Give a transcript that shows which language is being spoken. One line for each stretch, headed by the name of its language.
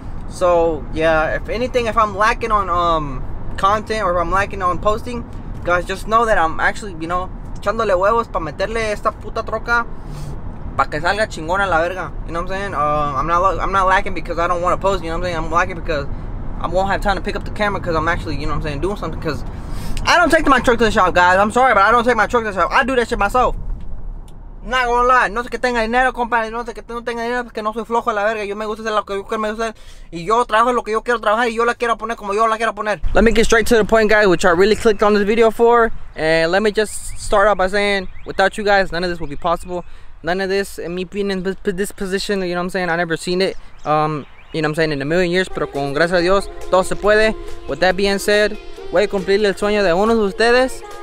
English: So yeah, if anything, if I'm lacking on content, or if I'm lacking on posting, guys, just know that I'm actually, you know,
Spanish: echándole huevos para meterle esta puta troca para que salga chingona la verga,
English: you know what I'm saying. I'm not lacking because I don't want to post, you know what I'm saying. I'm lacking because I won't have time to pick up the camera because I'm actually, you know what I'm saying, doing something. Because I don't take my truck to the shop, guys. I'm sorry, but I don't take my truck to the shop. I do that shit myself. Not gonna lie,
Spanish: no sé que tenga dinero, compadre, no sé que no tenga dinero, porque no soy flojo de la verga. Yo me gusta hacer lo que yo quiero hacer, y yo trabajo lo que yo quiero trabajar, y yo la quiero poner como yo la quiero poner.
English: Let me get straight to the point, guys, which I really clicked on this video for, and let me just start out by saying, without you guys, none of this would be possible. None of this, and me being in this position, you know what I'm saying, I never seen it. you know what I'm saying, in a million years,
Spanish: pero con gracias a Dios, todo se puede.
English: With that being said,
Spanish: voy a cumplir el sueño de uno de ustedes.